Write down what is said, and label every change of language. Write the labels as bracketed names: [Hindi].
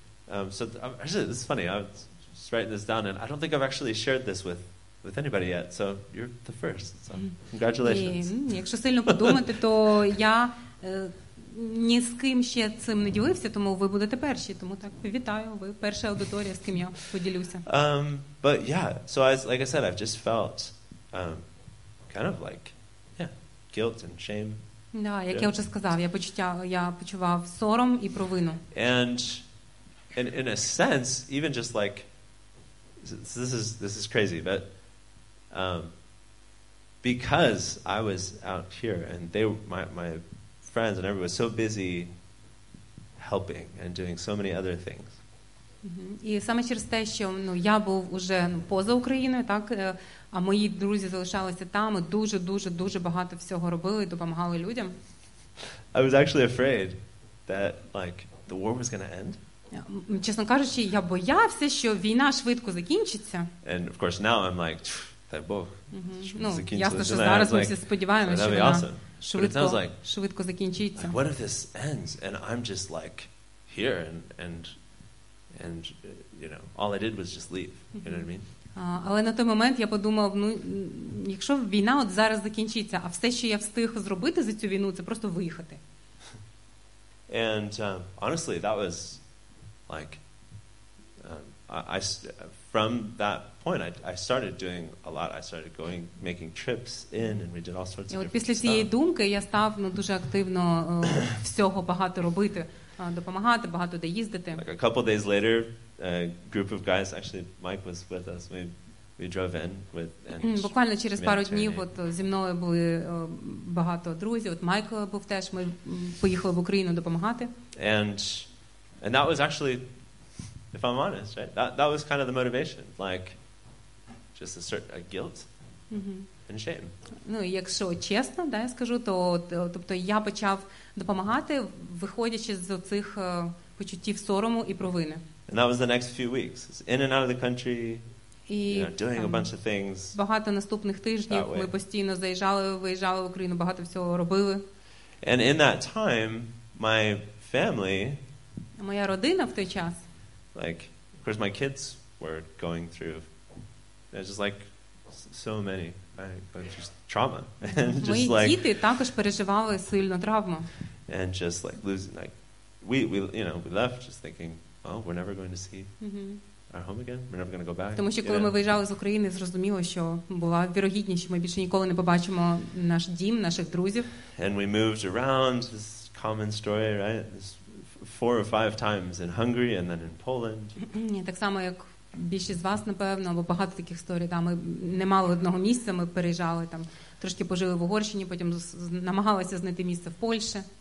[English] Actually, this is funny. I was writing this down and I don't think I've actually shared this with anybody yet. So, you're the first. So, congratulations. [Ukrainian] Якщо сильно подумати, то я ні з ким ще цим не ділився, тому ви будете перші, тому так, вітаю, ви перша аудиторія, з ким я поділюся. [English] But yeah, so I, like I said, I've just felt kind of like Yeah. Guilt and shame. [Ukrainian] Да, як я вже сказав, я почував сором і провину. [English] And in a sense, even just like this is crazy, but because I was out here and they my friends and everybody was so busy helping and doing so many other things. [Ukrainian] І саме через те, що я був уже поза Україною, так, а мої друзі залишалися там і дуже багато всього робили, допомагали людям. [English] I was actually afraid that like the war was going to end. [Ukrainian] Чесно кажучи, я боявся, що війна швидко закінчиться. [English] And of course now I'm like, [Ukrainian] дай Бог. Ясно, що зараз ми всі сподіваємося, що вона швидко закінчиться. [English] What if this ends and I'm just like here and you know, all I did was just leave. You know what I mean? [Ukrainian] Але на той момент я подумав, якщо війна от зараз закінчиться, а все, що я встиг зробити за цю війну, це просто виїхати. [English] And honestly, that was like I from that point I started doing a lot. I started going making trips in and we did all sorts of stuff. [Ukrainian] Після цієї думки я став дуже активно всього багато робити, допомагати, багато де їздити. [English] Like a couple days later, a group of guys, actually Mike was with us. We drove in with [Ukrainian] буквально через пару днів от зі мною були багато друзів. От Майк був теж. Ми поїхали в Україну допомагати. [English] And that was actually, if I'm honest, right? That was kind of the motivation, like just a guilt and shame. [Ukrainian] Ну, якщо чесно, да, я скажу, то тобто я почав допомагати, виходячи з оцих почуттів сорому і провини. [English] And that was the next few weeks. It's in and out of the country. Doing a bunch of things. [Ukrainian] Багато наступних тижнів ми постійно заїжджали, виїжджали в Україну, багато всього робили. [English] And in that time, my family, [Ukrainian] моя родина в той час, [English] like, of course, my kids were going through, just like so many, right? Just trauma. [Ukrainian] Мої діти також переживали сильну травму. [English] And just like losing, like, we you know, we left just thinking, oh, we're never going to see our home again. We're never going to go back. [Ukrainian] Тому що коли ми виїжджали з України, зрозуміло, що була вірогідність, що ми більше ніколи не побачимо наш дім, наших друзів. [English] And we moved around, this common story, right? This 4 or 5 times in Hungary and then in Poland. [Ukrainian] Ні, так само як більшість з вас, напевно, або багато таких історій, там ми не мали одного місця, ми переїжджали там, трошки пожили в Угорщині, потім намагалися знайти місце в Польщі.